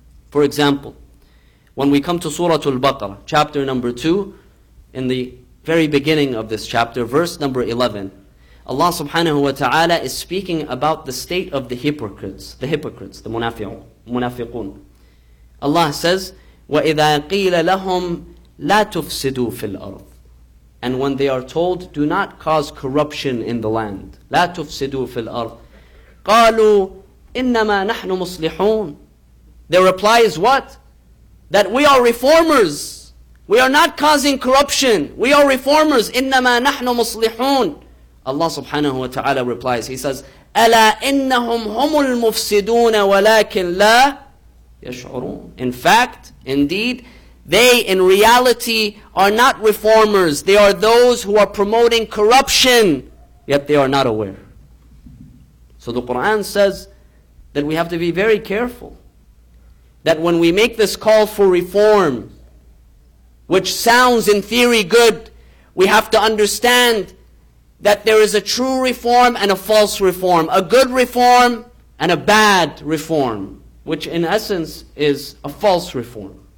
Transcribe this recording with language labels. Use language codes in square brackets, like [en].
[en] For example, when we come to Surah Al-Baqarah, chapter number 2, in the very beginning of this chapter, verse number 11, Allah subhanahu wa ta'ala is speaking about the state of the hypocrites, the munafiqun. Allah says, [ar] وَإِذَا قِيلَ لَهُمْ لَا تُفْسِدُوا فِي الْأَرْضِ. [en] And when they are told, do not cause corruption in the land. [ar] لَا تُفْسِدُوا فِي الْأَرْضِ. قالوا إنما نحن مصلحون. [en] Their reply is what? That we are reformers. We are not causing corruption. We are reformers. [ar] إنما نحن مصلحون. [en] Allah subhanahu wa ta'ala replies. He says, [ar] ألا إنهم هم المفسدون ولكن لا يشعرون. [en] In fact, indeed, they in reality are not reformers. They are those who are promoting corruption, yet they are not aware. So the Quran says that we have to be very careful. That when we make this call for reform, which sounds in theory good, we have to understand that there is a true reform and a false reform, a good reform and a bad reform, which in essence is a false reform.